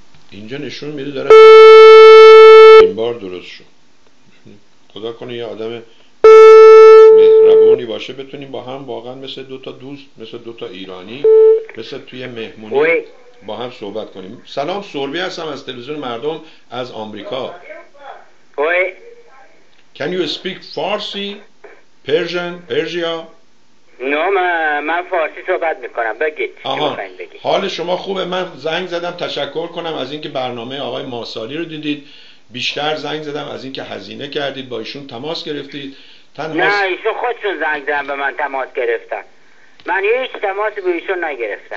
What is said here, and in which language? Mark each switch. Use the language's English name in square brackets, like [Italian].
[Persian] اینجا نشون میده داره این بار درست شد، خدا کنه یه آدم مهربونی باشه بتونیم با هم واقعا مثل دوتا دوست، مثل دوتا ایرانی، مثل توی مهمونی با هم صحبت کنیم. سلام، سوربی هستم از تلویزیون مردم از آمریکا. اوه [English] Can you speak Farsi, Persian, Persia? [Persian] نه من فارسی صحبت میکنم. بگید چی میخواییم بگید. حال شما خوبه؟ من زنگ زدم تشکر کنم از اینکه برنامه آقای ماسالی رو دیدید. بیشتر زنگ زدم از اینکه هزینه کردید با ایشون تماس گرفتید. نه ایشون خودشون زنگ زدن به من تماس گرفتن. من هیچ تماسی به ایشون نگرفتم.